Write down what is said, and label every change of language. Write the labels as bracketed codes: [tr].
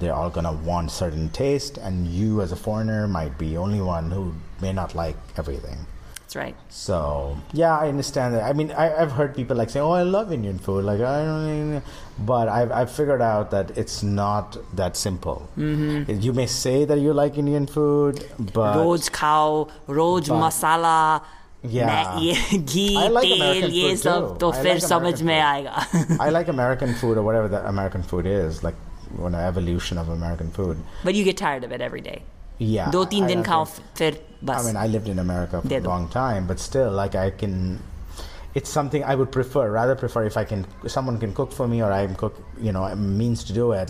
[en] They're all going to want certain taste. And you as a foreigner might be the only one who may not like everything. That's right. So, yeah, I understand that. I mean, I've heard people like saying, I love Indian food. Like, I don't mean, but I've figured out that it's not that simple. Mm-hmm. You may say that you like Indian food, but. [hi] रोज खाओ, रोज मसाला, घी, तेल, ये सब, तो फिर समझ में आएगा. [en] I like American food or whatever that American food is, like an evolution of American food. But you get tired of it every day. Yeah. [hi] Do teen din khao, phir. [en] I mean, I lived in America for a long time, but still, like, I can... It's something I would rather prefer if I can... Someone can cook for me or I'm cook, you know, means to do it.